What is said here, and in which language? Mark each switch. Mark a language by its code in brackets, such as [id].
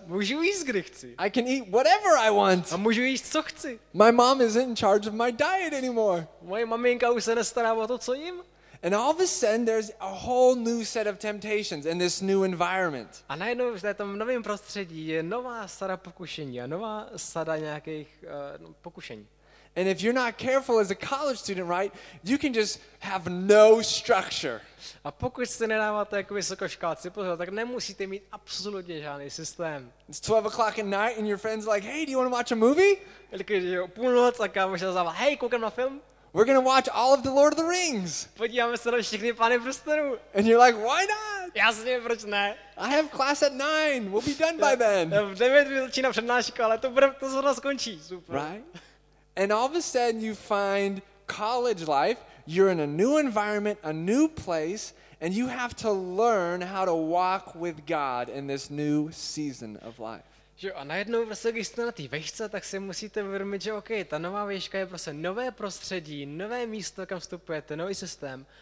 [cs] Můžu jíst, kdy chci. [en] I can eat whatever I want. [cs] A můžu jíst, co chci. [en] My mom isn't in charge of my diet anymore. [cs] Moje maminka už se nestará o to, co jím. [en] And all of a sudden, there's a whole new set of temptations in this new environment. [cs] A najednou v tom novém prostředí je nová sada pokušení a nová sada nějakých pokušení. [en] And if you're not careful as a college student, right, you can just have no structure. [cs] A pokud se nedáváte jako vysokoškoláci pozor, tak nemusíte mít absolutně žádný systém. [en] It's 12 o'clock at night and your friend's like, hey, do you want to watch a movie? [cs] Takže je půlnoc a kámoš se zavolá, hey, koukám na film. [en] We're going to watch all of the Lord of the Rings. [cs] Podíváme se na všechny Pány prstenů. [en] And you're like, why not? [cs] Jasně, proč ne? [en] I have class at 9. We'll be done by then. [cs] V 9 začíná přednáška, ale to zrovna skončí. Super. [en] Right? And all of a sudden you find college life, you're in a new environment, a new place, and you have to learn how to walk with God in this new season of life. [cs] Jo, a najednou prostě, když jste na té vejšce, tak si musíte uvědomit, že okay, ta nová vejška je prostě nové prostředí, nové místo, kam vstupujete, nový systém.